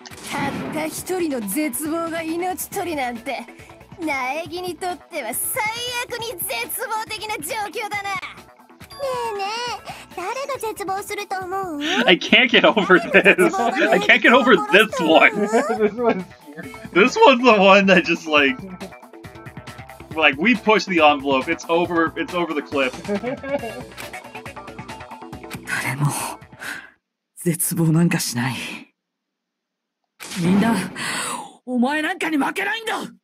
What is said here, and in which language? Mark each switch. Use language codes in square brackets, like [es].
[ja] たった一人の絶望が命取りなんて、苗木にとっては最悪に絶望的な状況だな。ねえねえ、誰が絶望すると思う？ [en] I can't get over this. I can't get over this one. This one's the one that just like we push the envelope. It's over the cliff. [ja] 誰も絶望なんかしない。みんなお前なんかに負けないんだ。